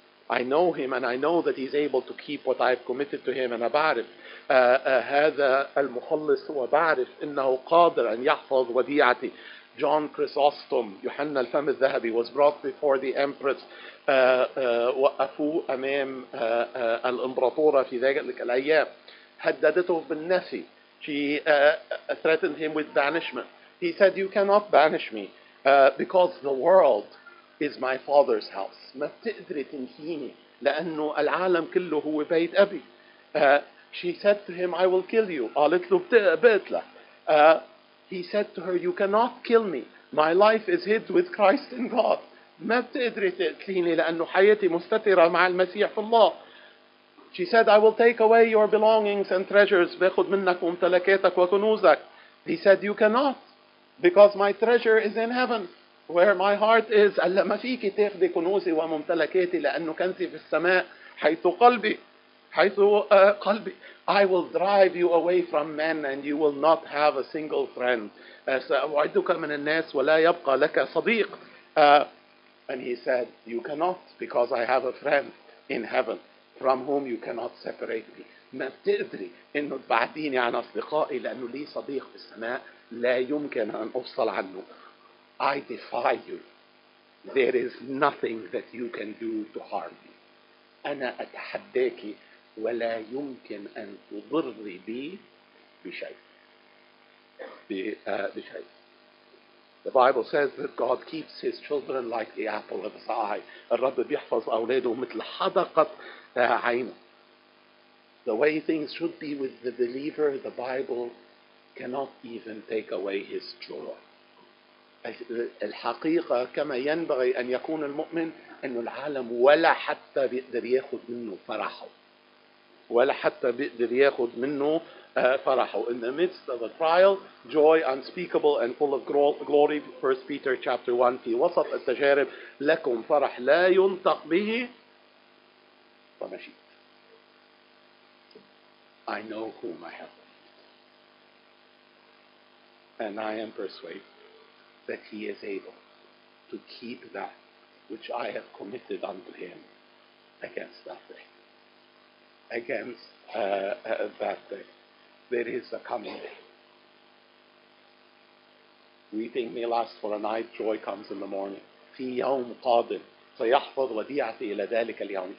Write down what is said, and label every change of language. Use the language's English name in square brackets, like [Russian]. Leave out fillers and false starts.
[English] I know him and I know that he's able to keep what I've committed to him. And I [Arabic] بعرف هذا المخلص وبعرف إنه قادر أن يحفظ وديعتي. [English] John Chrysostom, يوحنا الفم الذهبي, was brought before the Empress. [Arabic] وقفوا أمام الإمبراطورة في ذلك الأيام. هددته بالنفي. [English] She threatened him with banishment. He said, you cannot banish me because the world is my father's house. [Arabic] ما بتقدري تنهيني لأنه العالم كله هو بيت أبي. [English] She said to him, I will kill you. [Arabic] قالت له بتقتلك. [English] He said to her, you cannot kill me. My life is hid with Christ in God. [Arabic] ما بتقدري تقتليني لأنه حياتي مستترة مع المسيح في الله. [English] She said, I will take away your belongings and treasures. [Arabic] باخد منك ممتلكاتك وكنوزك. [English] He said, you cannot because my treasure is in heaven. Where my heart is, [Arabic] ألا ما فيك تاخذي كنوزي وممتلكاتي لأنه كنزي في السماء حيث قلبي. حيث قلبي. [English] I will drive you away from men and you will not have a single friend. [Arabic] سأوعدك من الناس ولا يبقى لك صديق. [English] And he said, you cannot because I have a friend in heaven from whom you cannot separate me. [Arabic] ما بتقدري إنه تبعديني عن أصدقائي لأنه لي صديق في السماء لا يمكن أن أفصل عنه. [English] I defy you. There is nothing that you can do to harm me. [Arabic] أنا أتحداك ولا يمكن أن تضري بي بشيء. بشيء. [English] The Bible says that God keeps his children like the apple of his eye. [Arabic] الرب بيحفظ أولاده مثل حدقة عينه. [English] the way things should be with the believer, the Bible cannot even take away his joy. [Arabic] الحقيقة كما ينبغي أن يكون المؤمن أن العالم ولا حتى بيقدر ياخد منه فرحه ولا حتى بيقدر ياخد منه فرحه. [English] In the midst of a trial, joy unspeakable and full of glory, 1 Peter chapter 1, [Arabic] في وسط التجارب لكم فرح لا ينطق به. فمشيت. [English] I know whom I have and I am persuaded that he is able to keep that which I have committed unto him against that day. Against that day. There is a coming day. Weeping may last for a night, joy comes in the morning. [Arabic] في يوم قادم سيحفظ وديعتي إلى ذلك اليوم.